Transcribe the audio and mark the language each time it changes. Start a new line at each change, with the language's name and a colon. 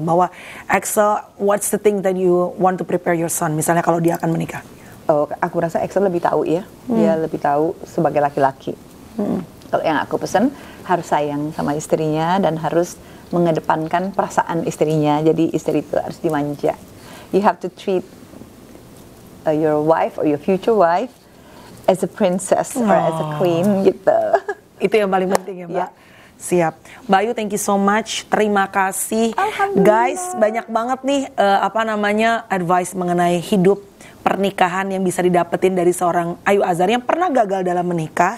Indonesian: Bahwa
English: Excel, what's the thing that you want to prepare your son?
Indonesian: Misalnya kalau dia akan menikah? Oh, aku rasa Excel lebih tahu ya. Dia lebih tahu sebagai laki-laki. Kalau yang aku pesan, harus sayang sama istrinya dan harus mengedepankan perasaan istrinya. Jadi istri itu harus dimanja.
English: You have to treat your wife or your future wife as a princess or as a queen gitu.
Indonesian: Itu yang paling penting ya Mbak. Siap.
English: Mbak Ayu, thank you so much.
Indonesian: Terima kasih. Alhamdulillah. Guys, banyak banget nih advice mengenai hidup pernikahan yang bisa didapetin dari seorang Ayu Azhar yang pernah gagal dalam menikah.